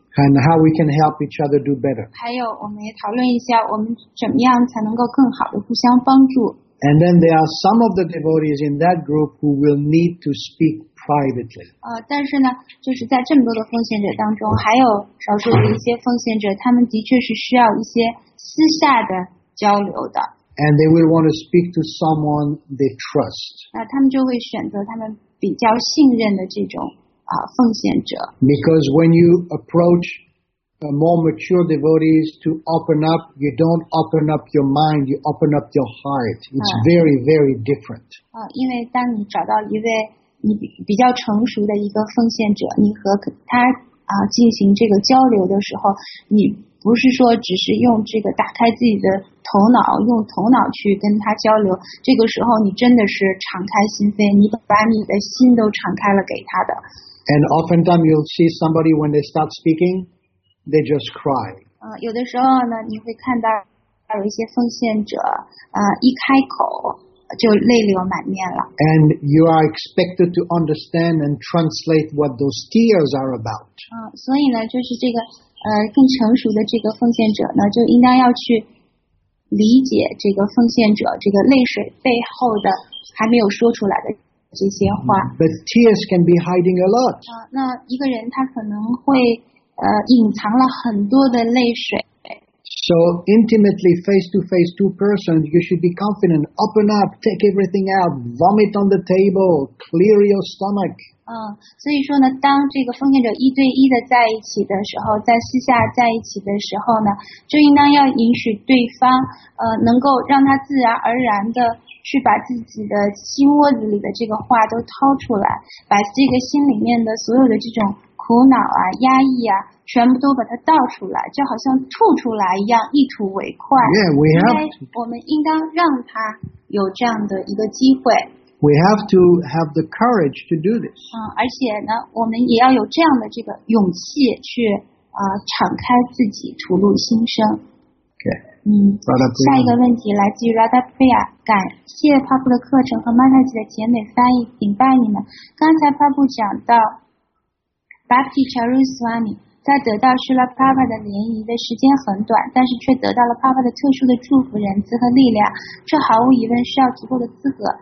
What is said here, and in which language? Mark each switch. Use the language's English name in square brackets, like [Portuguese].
[English] And how we can help each other do better. [Chinese] 还有，我们也讨论一下，我们怎么样才能够更好的互相帮助。 [English] And then there are some of the devotees in that group who will need to speak privately. [Chinese] 但是呢，就是在这么多的奉献者当中，还有少数的一些奉献者，他们的确是需要一些私下的交流的。 [English] And they will want to speak to someone they trust. [Chinese] 那他们就会选择他们比较信任的这种。奉献者 [English] Because when you approach more mature devotees to open up, you don't open up your mind, you open up your heart. It's very, very different. [Chinese] 因为当你找到一位你比较成熟的一个奉献者，你和他进行这个交流的时候，你不是说只是用这个打开自己的头脑，用头脑去跟他交流。这个时候，你真的是敞开心扉，你把你的心都敞开了给他的。 [English] And oftentimes you'll see somebody when they start speaking, they just cry. [Chinese] 有的时候呢，你会看到有一些奉献者，一开口就泪流满面了。 [English] And you are expected to understand and translate what those tears are about. [Chinese] 所以呢，就是这个更成熟的这个奉献者呢，就应当要去理解这个奉献者这个泪水背后的还没有说出来的。这些话 [English] But tears can be hiding a lot. [Chinese] 那一个人他可能会隐藏了很多的泪水。 [English] So intimately, face to face, two persons, you should be confident. Open up, take everything out, vomit on the table, clear your stomach. [Chinese] 所以说呢，当这个奉献者一对一的在一起的时候，在私下在一起的时候呢，就应当要允许对方能够让他自然而然的。去把自己的心窝子里的这个话都掏出来，把这个心里面的所有的这种苦恼啊、压抑啊，全部都把它倒出来，就好像吐出来一样，一吐为快。 [English] Yeah, we have. [Chinese] 我们应当让他有这样的一个机会。 [English] We have to have the courage to do this. [Chinese] 而且呢，我们也要有这样的这个勇气去敞开自己，吐露心声。下一个问题来自于 Radha Priya， 感谢 Prabhu 的课程和 Mataji 的甜美翻译，顶拜你们。刚才 Prabhu 讲到 Bhakti Charu Swami 在得到 Srila Prabhupada 的联谊的时间很短，但是却得到了 Prabhupada 的特殊的祝福、人资和力量，这毫无疑问需要足够的资格。